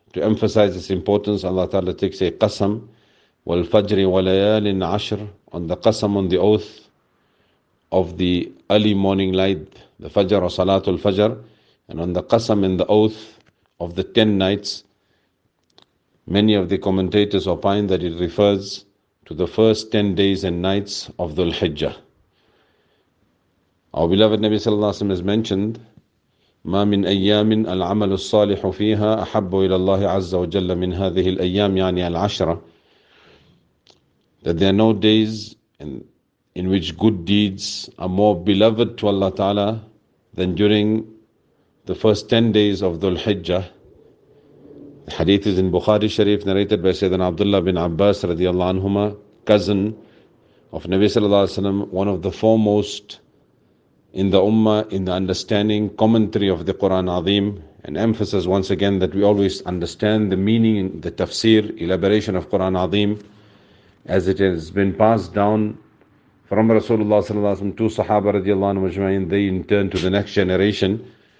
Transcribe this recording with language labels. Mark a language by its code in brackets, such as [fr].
[en] To emphasize its importance, Allah Ta'ala takes a qasam, [ar] wal fajri wa layalin ashr, [en] on the qasam, on the oath of the early morning light, the fajr or salatul fajr, and on the qasam, in the oath of the 10 nights. Many of the commentators opine that it refers to the first 10 days and nights of Dhul Hijjah. Our beloved Nabi Sallallahu Alaihi Wasallam has mentioned, [ar] مَا مِنْ أَيَّامٍ الْعَمَلُ الصَّالِحُ فِيهَا أَحَبُّ إِلَى اللَّهِ عَزَّ وَجَلَّ مِنْ هَذِهِ الْأَيَّامِ يعني الْعَشْرَ. [en] That there are no days in which good deeds are more beloved to Allah Ta'ala than during the first 10 days of Dhul Hijjah. The hadith is in Bukhari Sharif, narrated by Sayyidina Abdullah bin Abbas radiallahu anhuma, cousin of Nabi sallallahu alayhi wa sallam, one of the foremost in the ummah in the understanding commentary of the Quran Azim, and emphasis once again that we always understand the meaning, the tafsir, elaboration of Quran Azim as it has been passed down from Rasulullah sallallahu alayhi wa sallam to Sahaba radiallahu anhu ajma'in, they in turn to the next generation.